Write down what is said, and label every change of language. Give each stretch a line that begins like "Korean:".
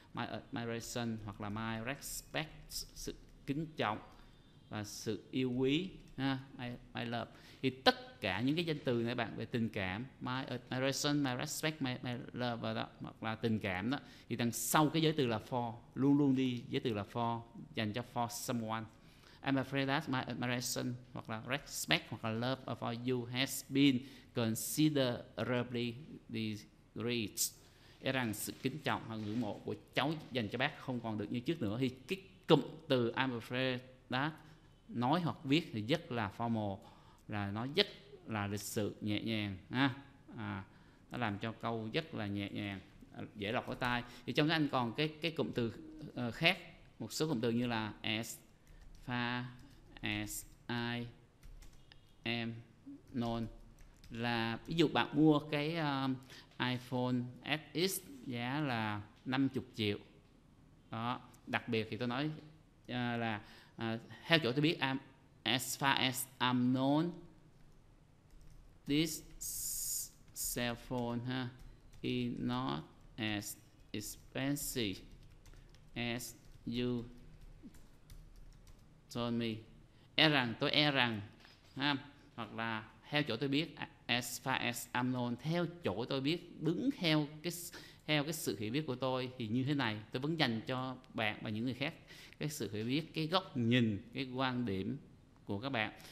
English: My admiration
Vietnamese: hoặc là
English: my respect,
Vietnamese: sự kính trọng và sự yêu quý,
English: my love.
Vietnamese: Thì tất cả những cái danh từ này bạn, về tình cảm,
English: my admiration, my respect, my love
Vietnamese: đó, hoặc là tình cảm đó, thì đằng sau cái giới từ là for, luôn luôn đi giới từ là for, dành cho
English: for someone. I'm afraid that my admiration
Vietnamese: hoặc là
English: respect hoặc là love for you has been considerably decreased.
Vietnamese: Để rằng sự kính trọng và ngưỡng mộ của cháu dành cho bác không còn được như trước nữa. Thì cái cụm từ
English: I'm afraid that
Vietnamese: nói hoặc viết thì rất là formal, là nó rất là lịch sự, nhẹ nhàng ha. Nó làm cho câu rất là nhẹ nhàng, dễ lọt vào tai. Thì trong tiếng Anh còn cái cụm từ khác, một số cụm từ như là
English: as far as I am known,
Vietnamese: là ví dụ bạn mua cái iPhone SX giá là 50 triệu đó. Đặc biệt thì tôi nói là theo chỗ tôi biết,
English: I'm as far as I'm known, this cell phone is not as expensive as you told me.
Vietnamese: E rằng ha, hoặc là theo chỗ tôi biết,
English: as far as I'm known,
Vietnamese: theo chỗ tôi biết, đứng theo cái sự hiểu biết của tôi thì như thế này. Tôi vẫn dành cho bạn và những người khác cái sự hiểu biết, cái góc nhìn, cái quan điểm của các bạn.